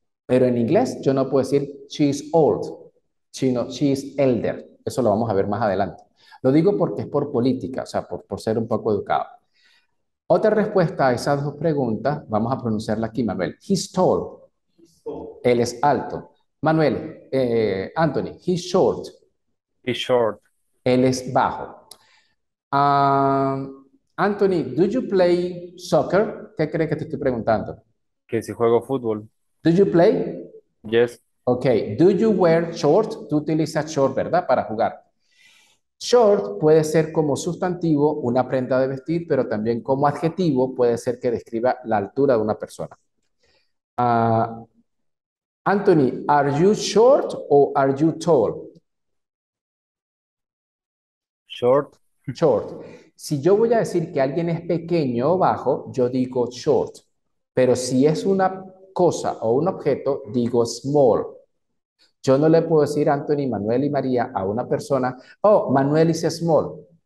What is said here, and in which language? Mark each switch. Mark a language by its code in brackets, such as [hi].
[es] Pero en inglés yo no puedo decir, [en] she's old, [es] sino [en] she's elder. [es] Eso lo vamos a ver más adelante. Lo digo porque es por política, o sea, por ser un poco educado. Otra respuesta a esas dos preguntas, vamos a pronunciarla aquí, Manuel. [en] He's tall. [es] Él es alto. [en] Manuel, Anthony, he's short. He's short. [es] Él es bajo. [en] Anthony, do you play soccer? [es] ¿Qué crees que te estoy preguntando? Que si juego fútbol. [en] Do you play? Yes. Ok, do you wear short? [es] Tú utilizas short, ¿verdad? Para jugar. Short puede ser como sustantivo una prenda de vestir, pero también como adjetivo puede ser que describa la altura de una persona. [en] Anthony, are you short o are you tall? Short. Short. [es] Si yo voy a decir que alguien es pequeño o bajo, yo digo short. Pero si es una cosa o un objeto, digo small. Yo no le puedo decir Anthony, Manuel y María a una persona, [en] oh, Manuel is small.